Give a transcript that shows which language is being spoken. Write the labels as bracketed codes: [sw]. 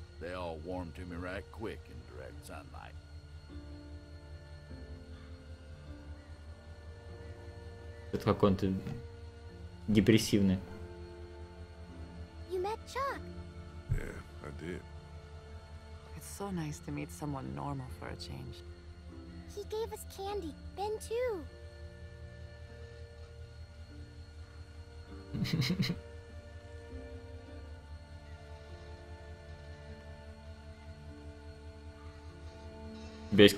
[en] They all warm to me right quick in direct sunlight. [ru] Это какой-то депрессивный. [en] You met Chuck. did. It's so nice to meet someone normal for a change. He gave us candy. Ben, too.